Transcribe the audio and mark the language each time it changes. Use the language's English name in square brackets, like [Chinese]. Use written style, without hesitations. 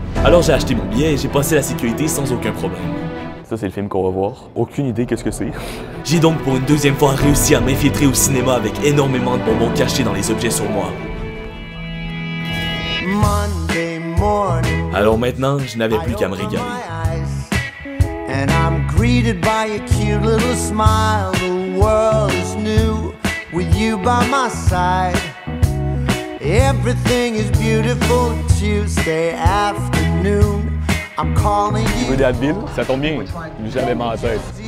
[French] Alors, j'ai acheté mon billet et j'ai passé la sécurité sans aucun problème. Ça, c'est le film qu'on va voir. Aucune idée qu'est-ce que c'est. J'ai donc pour une deuxième fois réussi à m'infiltrer au cinéma avec énormément de bonbons cachés dans les objets sur moi. [English] Monday morning. [French] Alors maintenant, je n'avais plus qu'à me régaler. [English] And I'm greeted by a cute little smile. The world is new with you by my side. Everything is beautiful Tuesday afternoon. [French] Tu veux des Advil? Ça tombe bien, j'avais mal à la tête.